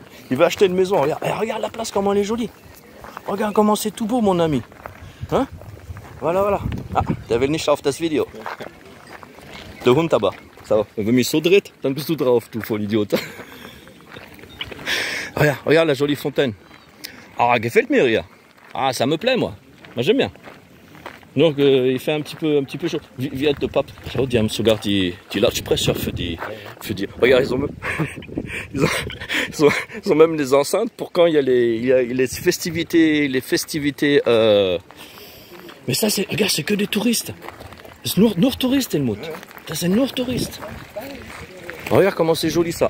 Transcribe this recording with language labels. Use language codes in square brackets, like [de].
[fr] Il veut acheter une maison. Regarde, regarde la place, comment elle est jolie. Regarde comment c'est tout beau, mon ami. Hein? Voilà, voilà. [de] Ah, der will nicht auf das Video. Der Hund aber. [fr] Ça va. [de] Wenn man mich so dreht, dann bist du drauf, du Vollidiot. [fr] Regarde la jolie fontaine. [de] Ah, gefällt mir hier. [fr] Ah, ça me plaît, moi. Moi, j'aime bien. Donc, il fait un petit peu chaud. [de] Wie hat der Papst? Ich glaube, die haben sogar die Lautsprecher für die. [fr] Regarde, ils ont même les enceintes pour quand il y a les festivités. Mais ça, c'est, regarde, c'est que des touristes. C'est nur touristes, Helmut. Ça, c'est nur touristes. Regarde comment c'est joli ça.